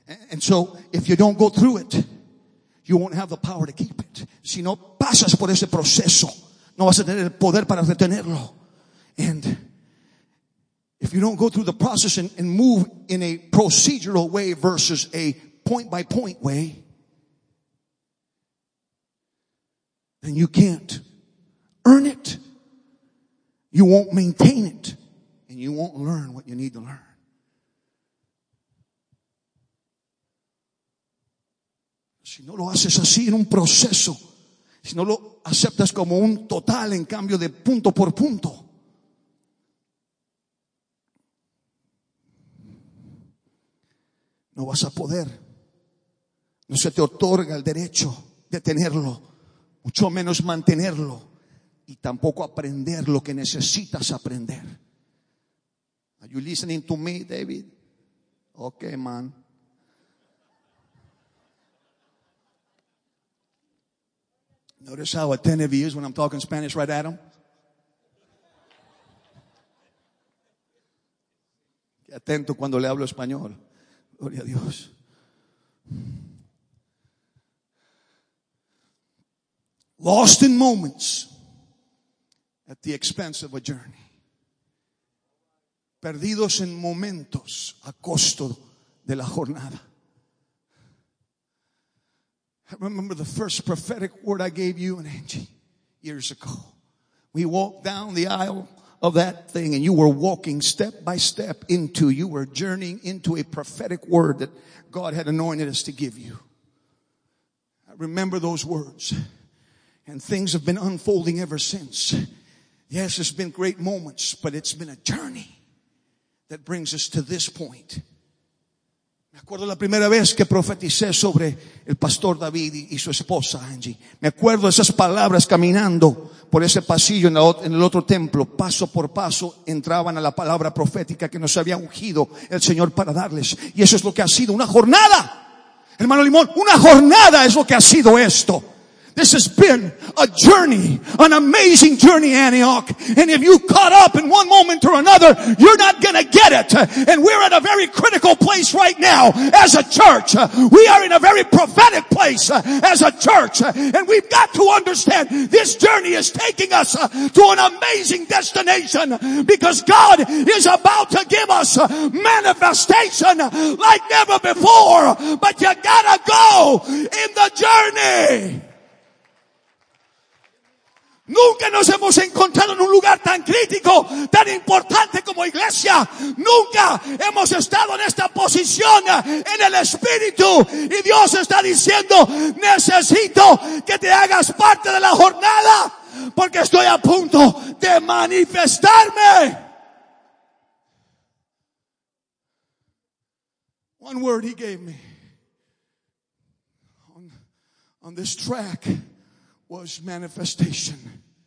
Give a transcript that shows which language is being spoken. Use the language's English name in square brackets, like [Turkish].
[English] And so if you don't go through it, you won't have the power to keep it. [Spanish] Si no pasas por ese proceso, no vas a tener el poder para retenerlo. And [English] If you don't go through the process and move in a procedural way versus a point-by-point way, then you can't earn it. You won't maintain it. And you won't learn what you need to learn. [Spanish] Si no lo haces así en un proceso, si no lo aceptas como un total en cambio de punto por punto, no vas a poder. No se te otorga el derecho de tenerlo, mucho menos mantenerlo, y tampoco aprender lo que necesitas aprender. [English] Are you listening to me, David? Okay, man. Notice how attentive he is when I'm talking Spanish right at him. [Spanish] Qué atento cuando le hablo español. Gloria a Dios. [English] Lost in moments at the expense of a journey. [Spanish] Perdidos en momentos a costo de la jornada. [English] I remember the first prophetic word I gave you and Angie years ago. We walked down the aisle of that thing and you were walking step by step into, you were journeying into a prophetic word that God had anointed us to give you. I remember those words and things have been unfolding ever since. Yes, it's been great moments, but it's been a journey that brings us to this point. [Spanish] Me acuerdo la primera vez que profeticé sobre el pastor David y su esposa Angie. Me acuerdo esas palabras caminando por ese pasillo en el otro templo. Paso por paso entraban a la palabra profética que nos había ungido el Señor para darles. Y eso es lo que ha sido una jornada. Hermano Limón, una jornada es lo que ha sido esto. [English] This has been a journey, an amazing journey, Antioch. And if you caught up in one moment or another, you're not going to get it. And we're at a very critical place right now as a church. We are in a very prophetic place as a church. And we've got to understand this journey is taking us to an amazing destination because God is about to give us manifestation like never before. But you got to go in the journey. [Spanish] Nunca nos hemos encontrado en un lugar tan crítico, tan importante como iglesia. Nunca hemos estado en esta posición en el Espíritu. Y Dios está diciendo, necesito que te hagas parte de la jornada porque estoy a punto de manifestarme. [English] One word he gave me on this track was manifestation.